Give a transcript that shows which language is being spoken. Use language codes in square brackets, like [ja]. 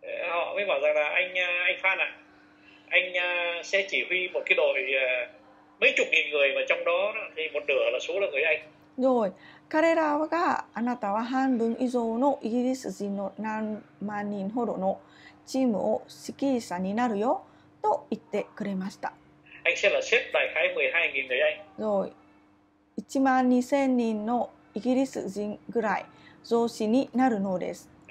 [vi] Họ mới bảo rằng là anh Phan ạ, anh sẽ chỉ huy một cái đội mấy chục nghìn người mà trong đó thì một nửa là số là người anh. [ja] Rồi, 彼らがあなたは半分以上のイギリス人の何万人ほどのチームを指揮者になるよと言ってくれました。 [vi] Anh sẽ là sếp đại khái 12.000 người anh. [ja] rồi 1万2000人のイギリス人ぐらい上司になるのです。